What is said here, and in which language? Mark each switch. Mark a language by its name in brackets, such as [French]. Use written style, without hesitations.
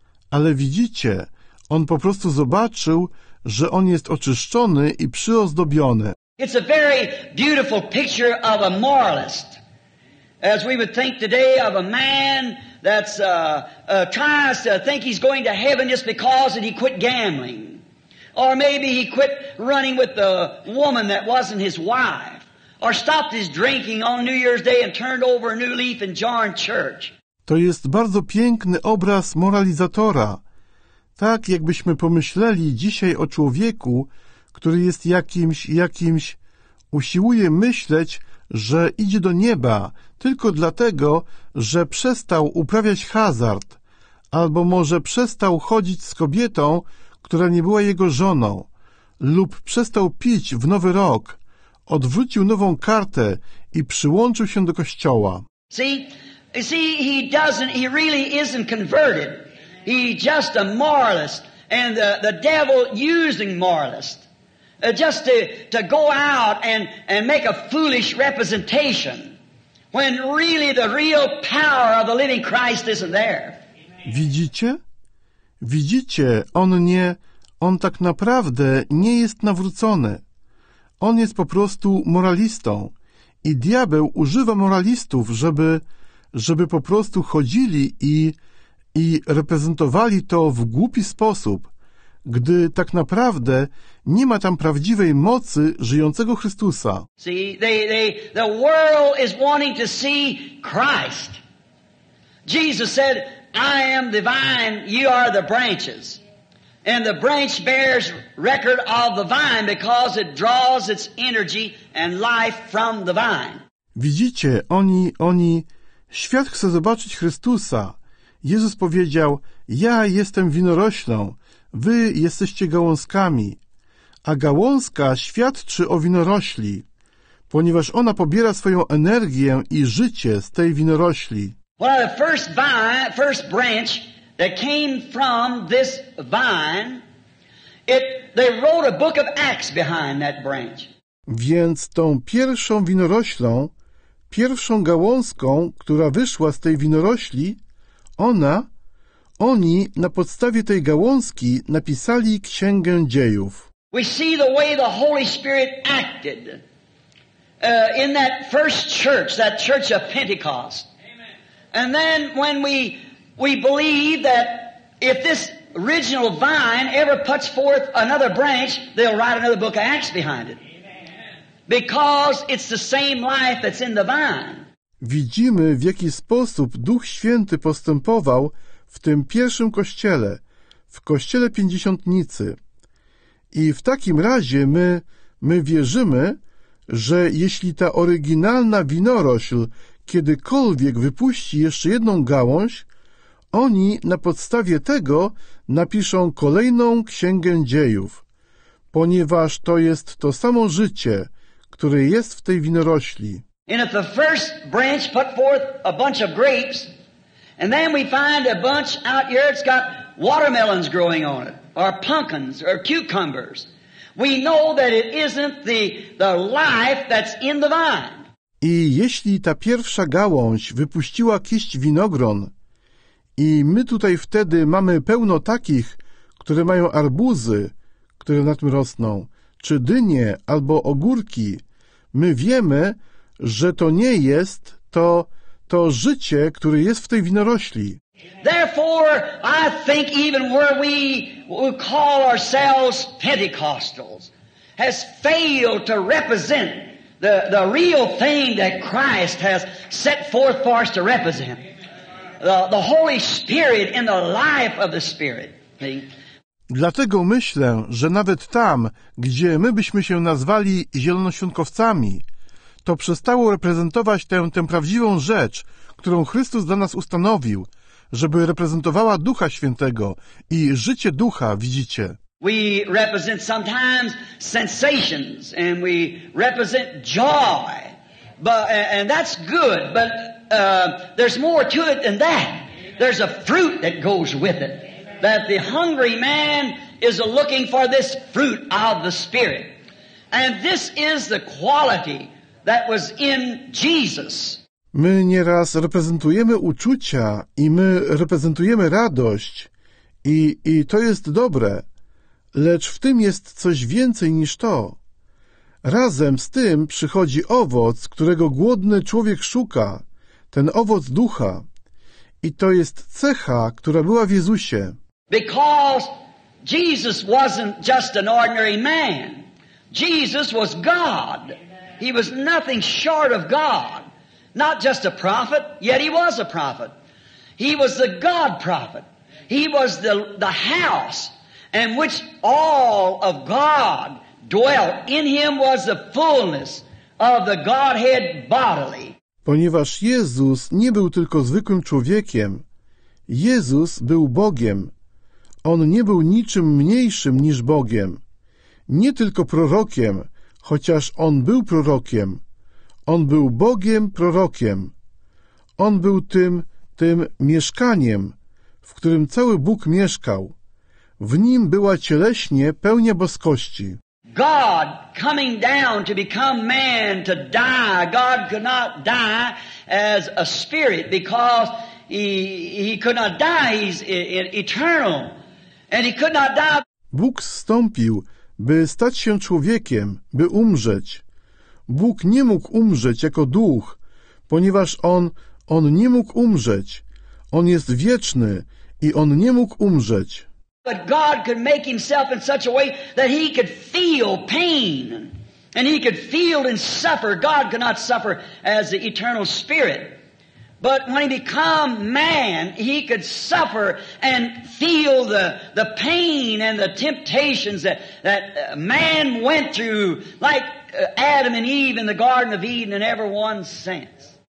[Polish] Ale widzicie, on po prostu zobaczył, że on jest oczyszczony i przyozdobiony. [English] It's a very beautiful picture of a moralist. As we would think today of a man that's tries to think he's going to heaven just because that he quit gambling. Or maybe he quit running with the woman that wasn't his wife. Or stopped his drinking on New Year's Day and turned over a new leaf and joined church. [Polish] To jest bardzo piękny obraz moralizatora. Tak jakbyśmy pomyśleli dzisiaj o człowieku, który jest jakimś, usiłuje myśleć, że idzie do nieba tylko dlatego, że przestał uprawiać hazard, albo może przestał chodzić z kobietą, która nie była jego żoną, lub przestał pić w Nowy Rok, odwrócił nową kartę i przyłączył się do kościoła. [English] See, he really isn't converted. He's just a moralist, and the devil using moralist. Just to go out and make a foolish representation, when really the real power of the living Christ isn't there. [Polish] Widzicie, on tak naprawdę nie jest nawrócony. On jest po prostu moralistą. I diabeł używa moralistów, żeby po prostu chodzili i reprezentowali to w głupi sposób, gdy tak naprawdę nie ma tam prawdziwej mocy żyjącego Chrystusa. [English] See, the world is wanting to see Christ. Jesus said, I am the vine, you are the branches. And the branch bears record of the vine because it draws its energy and life from the vine. [Polish] Widzicie, oni, świat chce zobaczyć Chrystusa. Jezus powiedział, ja jestem winoroślą, wy jesteście gałązkami, a gałązka świadczy o winorośli, ponieważ ona pobiera swoją energię i życie z tej winorośli. [English] Well, the first branch that came from this vine, they wrote a book of Acts behind that branch. [Polish] Więc tą pierwszą winoroślą, pierwszą gałązką, która wyszła z tej winorośli, oni na podstawie tej gałązki napisali Księgę Dziejów. [English] We see the way the Holy Spirit acted in that first church, that church of Pentecost. Amen. And then when we believe that if this original vine ever puts forth another branch, they'll write another book of Acts behind it. Because it's the same life that's in the vine. [Polish] Widzimy, w jaki sposób Duch Święty postępował w tym pierwszym kościele, w kościele Pięćdziesiątnicy. I w takim razie my wierzymy, że jeśli ta oryginalna winorośl kiedykolwiek wypuści jeszcze jedną gałąź, oni na podstawie tego napiszą kolejną Księgę Dziejów, ponieważ to jest to samo życie, które jest w tej winorośli. [English] And if the first branch put forth a bunch of grapes, and then we find a bunch out here, it's got watermelons growing on it, or pumpkins, or cucumbers, we know that it isn't the life that's in the vine. [Polish] I jeśli ta pierwsza gałąź wypuściła kiść winogron, i my tutaj wtedy mamy pełno takich, które mają arbuzy, które na tym rosną, czy dynie, albo ogórki, my wiemy, że to nie jest to życie, które jest w tej winorośli. [English] Therefore, I think even where we call ourselves Pentecostals has failed to represent the real thing that Christ has set forth for us to represent. The Holy Spirit in the life of the Spirit. [Polish] Dlatego myślę, że nawet tam, gdzie my byśmy się nazwali zielonoświątkowcami, to przestało reprezentować tę prawdziwą rzecz, którą Chrystus dla nas ustanowił, żeby reprezentowała Ducha Świętego i życie Ducha, widzicie. [English] We represent sometimes sensations and we represent joy. And that's good, but there's more to it than that. There's a fruit that goes with it. That the hungry man is looking for this fruit of the Spirit. And this is the quality that was in Jesus. [Polish] My nieraz reprezentujemy uczucia i my reprezentujemy radość i to jest dobre, lecz w tym jest coś więcej niż to. Razem z tym przychodzi owoc, którego głodny człowiek szuka, ten owoc ducha. I to jest cecha, która była w Jezusie. [English] Because Jesus wasn't just an ordinary man. Jesus was God. He was nothing short of God. Not just a prophet, yet he was a prophet. He was the God prophet. He was the house in which all of God dwelt. In him was the fullness of the Godhead bodily. [Polish] Ponieważ Jezus nie był tylko zwykłym człowiekiem. Jezus był Bogiem. On nie był niczym mniejszym niż Bogiem. Nie tylko prorokiem, chociaż on był prorokiem. On był Bogiem prorokiem. On był tym mieszkaniem, w którym cały Bóg mieszkał. W nim była cieleśnie pełnia boskości. [English] God coming down to become man to die. God could not die as a spirit because he could not die. He's eternal. And he could not die. [Polish] Bóg zstąpił, by stać się człowiekiem, by umrzeć. Bóg nie mógł umrzeć jako duch, ponieważ on nie mógł umrzeć. On jest wieczny i on nie mógł umrzeć. [English] But God could make himself in such a way that he could feel pain and he could feel and suffer. God could not suffer as the eternal spirit. But when he became man, he could suffer and feel the pain and the temptations that man went through, like Adam and Eve in the Garden of Eden and everyone since.